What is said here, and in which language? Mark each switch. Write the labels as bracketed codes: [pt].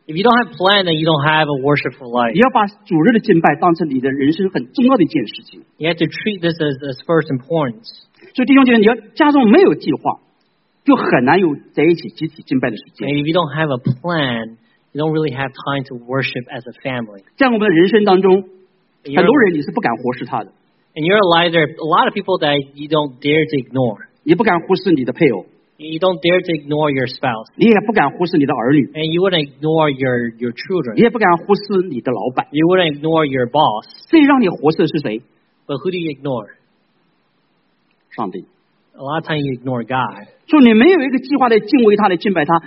[en] If you don't have a plan, then you don't have a worshipful life. [zh] 你要把主日的敬拜当成你的人生很重要的一件事情。 [en] You have to treat this as first importance. [zh] 所以弟兄姐妹, 你要家中没有计划, 就很难有在一起集体敬拜的时间。 [en] And if you don't have a plan, you don't really have time to worship as a family. [zh] 在我们的人生当中, 很多人你是不敢忽视他的。 [en] In your life, there are a lot of people that you don't dare to ignore. [zh] 你不敢忽视你的配偶。 [en] You don't dare to ignore your spouse. [zh] 你也不敢忽视你的儿女。 [en] And you wouldn't ignore your children. [zh] 你也不敢忽视你的老板。 [en] You wouldn't ignore your boss. [zh] 最让你忽视的是谁? [en] But who do you ignore? [zh] 上帝。 [en] A lot of times you ignore God. [zh] 说你没有一个计划来敬畏他,来敬拜他,